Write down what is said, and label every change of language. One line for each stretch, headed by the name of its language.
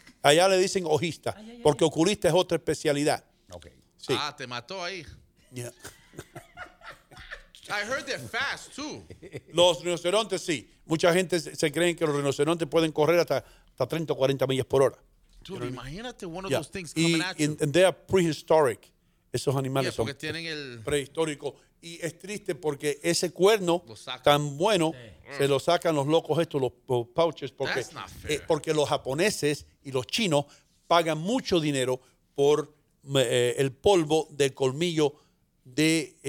Spanish: Allá le dicen ojista, porque oculista es otra especialidad. Ok. Sí. Ah, te mató ahí.
English: Yeah. I heard they're fast, too.
Spanish: Los rinocerontes, sí. Mucha gente se cree que los rinocerontes pueden correr hasta 30 o 40 millas por hora.
English: Dude,
Spanish: imagínate
English: one of those things coming at you. And they are prehistoric.
Spanish: Esos animales son porque tienen el... prehistóricos. Y es triste porque ese cuerno tan bueno se lo sacan los locos estos, los pouches. Porque,
English: that's not fair.
Spanish: Porque los japoneses y los chinos pagan mucho dinero por el polvo del colmillo de...